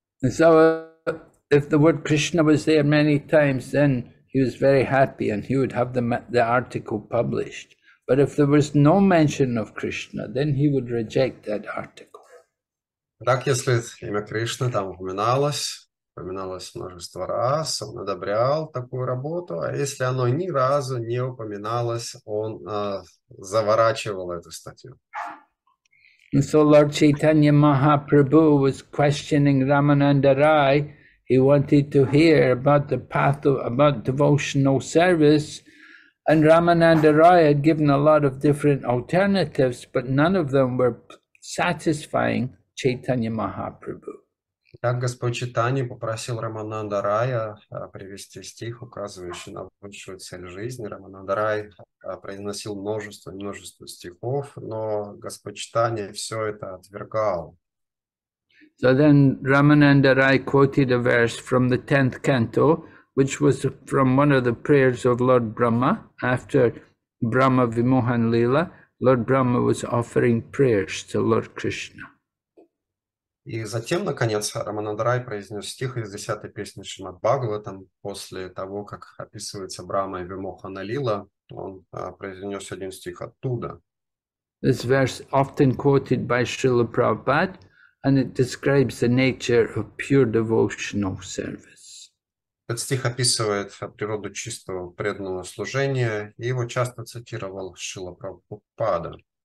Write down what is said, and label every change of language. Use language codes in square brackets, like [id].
[en] So, if the word Krishna was there many times, then he was very happy and he would have the article published. But if there was no mention of Krishna, then he would reject that article. [ru] Так, если имя Кришны там упоминалось множество раз, он одобрял такую работу, а если оно ни разу не упоминалось, он заворачивал эту статью. [en] And so Lord Chaitanya Mahaprabhu was questioning Ramananda Rai. He wanted to hear about the path of about devotional service, and Ramananda Rai had given a lot of different alternatives, but none of them were satisfying Chaitanya Mahaprabhu. [ru] Так Господь Чайтанья попросил Рамананда Рая привести стих, указывающий на высшую цель жизни. Рамананда Рай произносил множество стихов, но Господь Чайтанья все это отвергал. [en] So then Ramananda Rai quoted a verse from the 10th canto, which was from one of the prayers of Lord Brahma. After Brahma Vimohan Lila, Lord Brahma was offering prayers to Lord Krishna. [ru] И затем, наконец, Рамананда Рай произнес стих из 10-й песни Шримад Бхагаватам. После того, как описывается Брахма и Вимохана Лила, он произнес один стих оттуда. [en] This verse often quoted by Srila Prabhupada, and it describes the nature of pure devotional service. [ru] Этот стих описывает природу чистого преданного служения, и его часто цитировал Шрила Прабхупада.